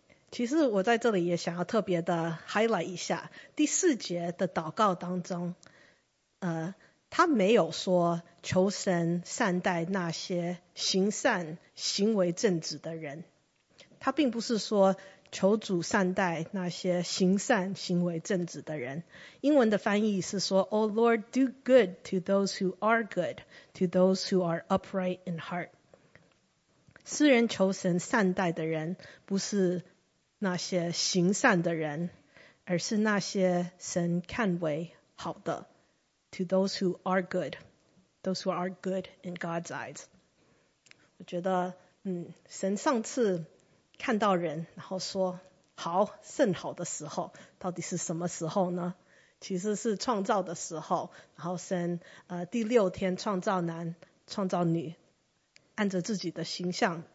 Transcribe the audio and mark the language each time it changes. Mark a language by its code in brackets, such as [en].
[zh] 其实我在这里也想要特别的 highlight 一下第四节的祷告当中，他没有说求神善待那些行善行为正直的人，他并不是说求主善待那些行善行为正直的人。英文的翻译是说 [en] O Lord, do good to those who are good, to those who are upright in heart. [zh] 诗人求神善待的人不是那些行善的人，而是那些神看为好的。 [en] To those who are good, those who are good in God's eyes. [zh] 我觉得，神上次看到人，然后说好甚好的时候，到底是什么时候呢？其实是创造的时候，然后神第六天创造男，创造女，按着自己的形象